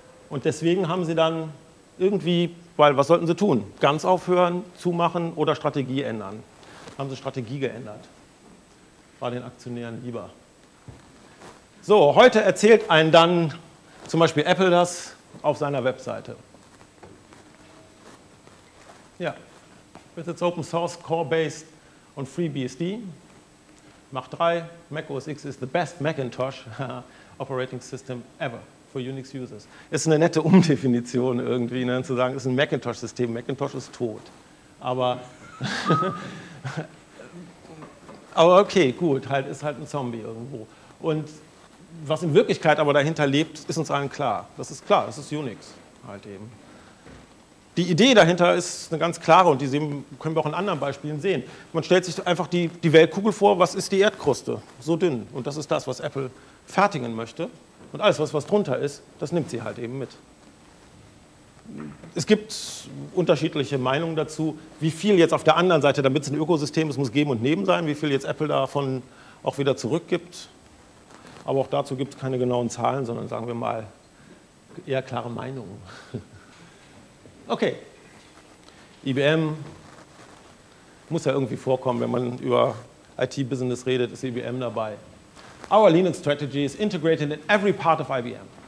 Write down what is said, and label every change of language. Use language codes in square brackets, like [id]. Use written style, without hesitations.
[de] Und deswegen haben sie dann irgendwie, weil was sollten sie tun? Ganz aufhören, zumachen oder Strategie ändern? Haben sie Strategie geändert. War den Aktionären lieber. So, heute erzählt einem dann zum Beispiel Apple das auf seiner Webseite. [en] Ja, with its open source, core based und free BSD. Mach 3, Mac OS X is the best Macintosh operating system ever for Unix users. [de] Ist eine nette Umdefinition irgendwie, ne, zu sagen, ist ein Macintosh-System. Macintosh ist tot. Aber, aber okay, gut, halt ist halt ein Zombie irgendwo. Und was in Wirklichkeit aber dahinter lebt, ist uns allen klar. Das ist klar, das ist Unix halt eben. Die Idee dahinter ist eine ganz klare und die können wir auch in anderen Beispielen sehen. Man stellt sich einfach die Weltkugel vor, was ist die Erdkruste? So dünn. Und das ist das, was Apple fertigen möchte. Und alles, was drunter ist, das nimmt sie halt eben mit. Es gibt unterschiedliche Meinungen dazu, wie viel jetzt auf der anderen Seite, damit es ein Ökosystem ist, muss geben und nehmen sein, wie viel jetzt Apple davon auch wieder zurückgibt. Aber auch dazu gibt es keine genauen Zahlen, sondern sagen wir mal eher klare Meinungen. Okay, IBM muss ja irgendwie vorkommen, wenn man über IT-Business redet, ist IBM dabei. [en] Our Linux strategy is integrated in every part of IBM.